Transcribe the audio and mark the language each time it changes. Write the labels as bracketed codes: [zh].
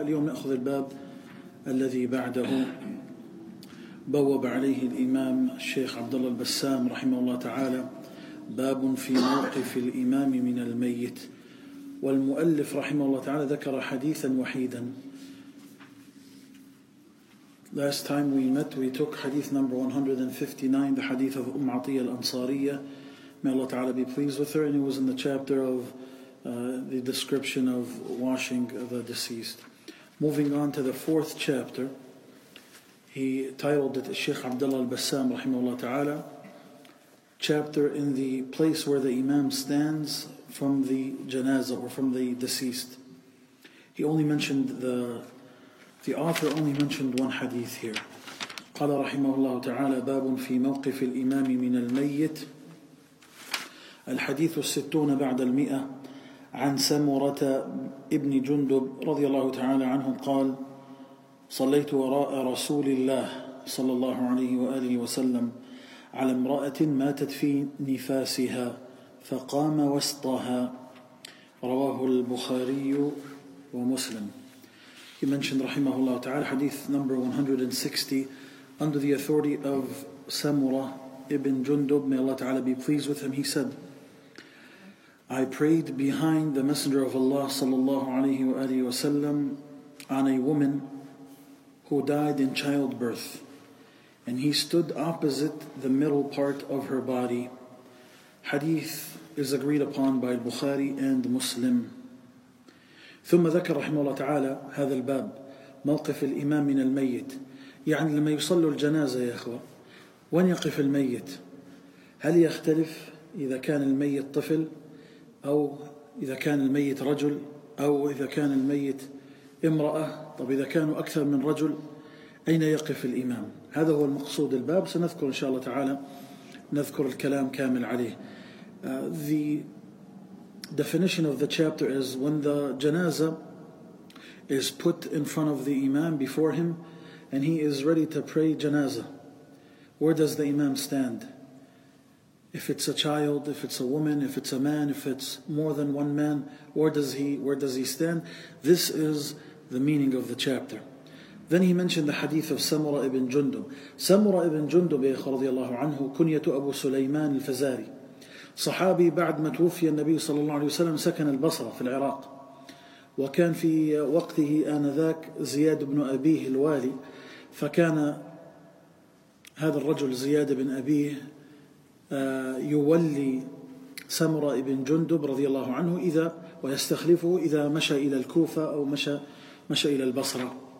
[ar] اليوم نأخذ الباب الذي بعده، بوب عليه الإمام الشيخ عبد الله البسام رحمه الله تعالى، باب في موقف الإمام من الميت. والمؤلف رحمه الله تعالى ذكر حديثا وحيدا. [en] Last time we met we took hadith number 159, the hadith of Umm Atiyah al-Ansariya, may Allah ta'ala be pleased with her, and it was in the chapter of the description of washing the deceased. Moving on to the fourth chapter, he titled it Sheikh Abdullah al-Bassam rahimahullah ta'ala, chapter in the place where the imam stands from the janazah or from the deceased. He only mentioned the author only mentioned one hadith here. [ar] قال رحمه الله تعالى باب في موقف الإمام من الميت. الحديث الستون بعد المئة. عن سمرة ابن جندب رضي الله تعالى عنه قال: صليت وراء رسول الله صلى الله عليه وآله وسلم على امرأة ماتت في نفاسها فقام وسطها. رواه البخاري ومسلم. [en] He mentioned [ar] رحمه الله تعالى [en] حديث number 160 under the authority of سمرة ابن جندب، may Allah تعالى be pleased with him. He said: I prayed behind the Messenger of Allah sallallahu alayhi wa alihi wa sallam on a woman who died in childbirth, and he stood opposite the middle part of her body. Hadith is agreed upon by Bukhari and Muslim. [ar] ثم ذكر رحمه الله تعالى هذا الباب، موقف الإمام من الميت، يعني لما يصلوا الجنازة يا أخوة وين يقف الميت؟ هل يختلف إذا كان الميت طفل، أو إذا كان الميت رجل، أو إذا كان الميت امرأة؟ طب إذا كانوا أكثر من رجل أين يقف الإمام؟ هذا هو المقصود الباب، سنذكر إن شاء الله تعالى نذكر الكلام كامل عليه. [en] The definition of the chapter is when the janaza is put in front of the imam before him and he is ready to pray janaza, where does the imam stand? If it's a child, if it's a woman, if it's a man, if it's more than one man, where does he stand? This is the meaning of the chapter. Then he mentioned the hadith of Samura ibn Jundub. [ar] Samura ibn Jundub رضي الله عنه كنيته أبو سليمان الفزاري، صحابي بعد ما توفي النبي صلى الله عليه وسلم سكن البصرة في العراق، وكان في وقته آنذاك زياد بن أبيه الوالي، فكان هذا الرجل زياد بن أبيه يولي سمرة ابن جندب رضي الله عنه إذا ويستخلفه إذا مشى إلى الكوفة أو مشى إلى البصرة.